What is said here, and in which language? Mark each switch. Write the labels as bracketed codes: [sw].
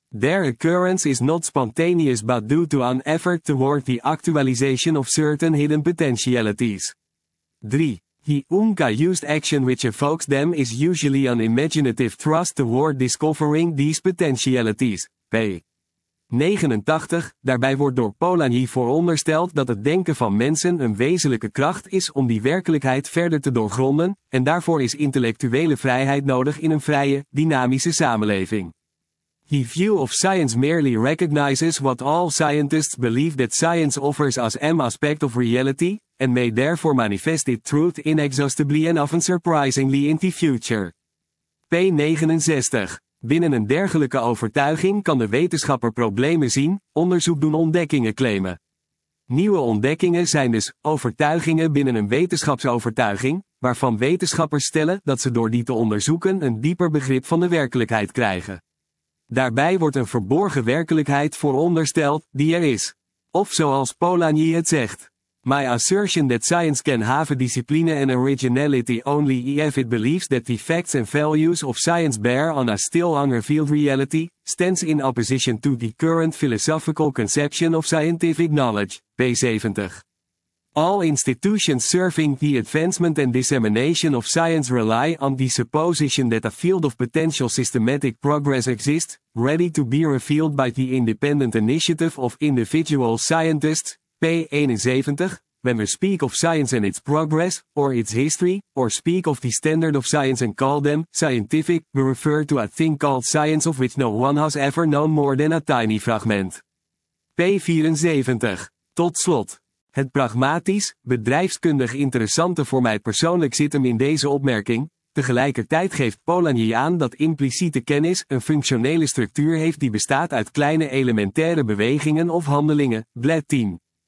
[en] Their occurrence is not spontaneous but due to an effort toward the actualization of certain hidden potentialities. 3. The unca-used action which evokes them is usually an imaginative thrust toward discovering these potentialities. P. 89. [nl] Daarbij wordt door Polanyi voorondersteld dat het denken van mensen een wezenlijke kracht is om die werkelijkheid verder te doorgronden, en daarvoor is intellectuele vrijheid nodig in een vrije, dynamische samenleving. [en] The view of science merely recognizes what all scientists believe that science offers as an aspect of reality, and may therefore manifest its truth inexhaustibly and often surprisingly in the future. p. 69. [nl] Binnen een dergelijke overtuiging kan de wetenschapper problemen zien, onderzoek doen ontdekkingen claimen. Nieuwe ontdekkingen zijn dus overtuigingen binnen een wetenschapsovertuiging, waarvan wetenschappers stellen dat ze door die te onderzoeken een dieper begrip van de werkelijkheid krijgen. Daarbij wordt een verborgen werkelijkheid voorondersteld, die er is. Of zoals Polanyi het zegt. [en] My assertion that science can have discipline and originality only if it believes that the facts and values of science bear on a still unrevealed reality, stands in opposition to the current philosophical conception of scientific knowledge, p. 70. All institutions serving the advancement and dissemination of science rely on the supposition that a field of potential systematic progress exists, ready to be revealed by the independent initiative of individual scientists, p. 71, when we speak of science and its progress, or its history, or speak of the standard of science and call them scientific, we refer to a thing called science of which no one has ever known more than a tiny fragment. [nl] p. 74. Tot slot. Het pragmatisch, bedrijfskundig interessante voor mij persoonlijk zit hem in deze opmerking. Tegelijkertijd geeft Polanyi aan dat impliciete kennis een functionele structuur heeft die bestaat uit kleine elementaire bewegingen of handelingen, Blad 10.